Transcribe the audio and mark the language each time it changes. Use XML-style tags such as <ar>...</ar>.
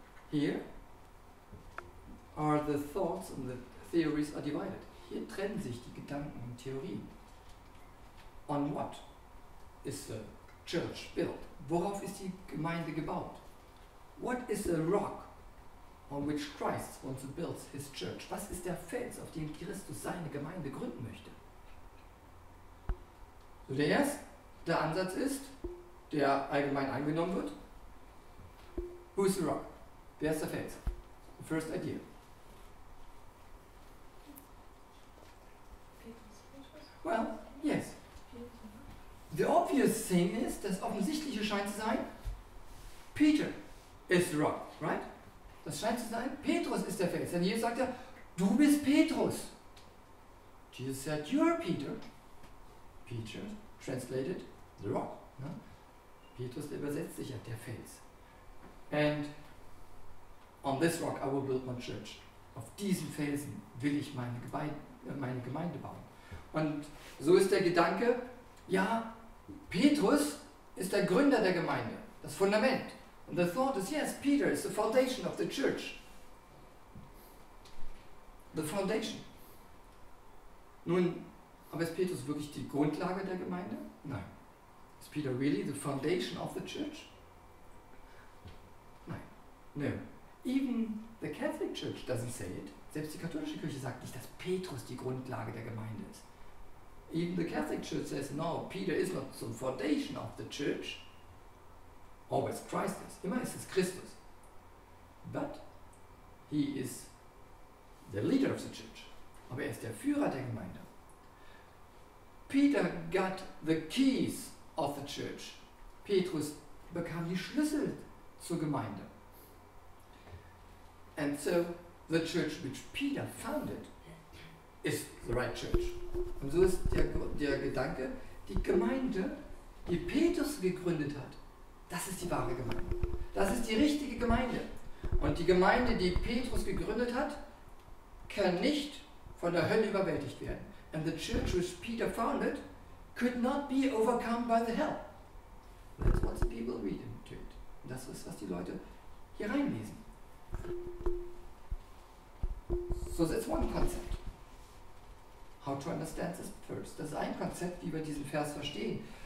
<en>Here are the thoughts and the theories are divided.</en> <de>Hier trennen sich die Gedanken und Theorien.</de> <en>On what is the church built?</en> <de>Worauf ist die Gemeinde gebaut?</de> <en>What is the rock on which Christ wants to build his church?</en> <de>Was ist der Fels, auf dem Christus seine Gemeinde gründen möchte? So der erste Ansatz ist, der allgemein angenommen wird.</de> <en>Who is the rock?</en> <de>Wer ist der Fels?</de> <en>The first idea. Well, yes. The obvious thing is,</en> <de>das Offensichtliche scheint zu sein,</de> <en>Peter is the rock, right?</en> <de>Das scheint zu sein, Petrus ist der Fels. Denn Jesus sagt ja, du bist Petrus.</de> <en>Jesus said, you are Peter. Peter translated the rock.</en> <de>Ne? Petrus übersetzt sich ja, der Fels.</de> <en>And on this rock I will build my church.</en> <de>Auf diesem Felsen will ich meine Gemeinde bauen. Und so ist der Gedanke, ja, Petrus ist der Gründer der Gemeinde, das Fundament.</de> <en>And the thought is, yes, Peter is the foundation of the church. The foundation.</en> <de>Nun, aber ist Petrus wirklich die Grundlage der Gemeinde? Nein.</de> <en>Is Peter really the foundation of the church? Nein. No. Even the Catholic Church doesn't say it.</en> <de>Selbst die katholische Kirche sagt nicht, dass Petrus die Grundlage der Gemeinde ist.</de> <en>Even the Catholic Church says, no, Peter is not the foundation of the church. Always Christ is.</en> <de>Immer ist es Christus.</de> <en>But he is the leader of the church.</en> <de>Aber er ist der Führer der Gemeinde.</de> <en>Peter got the keys of the church.</en> <de>Petrus bekam die Schlüssel zur Gemeinde.</de> <en>And so the church which Peter founded is the right church.</en> <de>Und so ist der Gedanke, die Gemeinde, die Petrus gegründet hat, das ist die wahre Gemeinde. Das ist die richtige Gemeinde. Und die Gemeinde, die Petrus gegründet hat, kann nicht von der Hölle überwältigt werden.</de> <en>And the church which Peter founded could not be overcome by the hell. That's what the people read into it.</en> <de>Und das ist, was die Leute hier reinlesen.</de> <en>So that's one concept. How to understand this verse.</en> <de>Das ist ein Konzept, wie wir diesen Vers verstehen.</de>